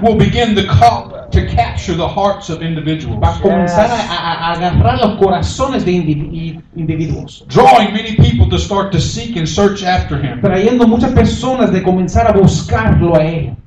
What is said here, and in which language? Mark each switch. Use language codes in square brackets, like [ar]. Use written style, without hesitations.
[en] will begin to capture the hearts of individuals. [es] Va a comenzar a agarrar los corazones de individuos. [en] Drawing many people to start to seek and search after him. [es] Trayendo muchas personas de comenzar a buscarlo a él.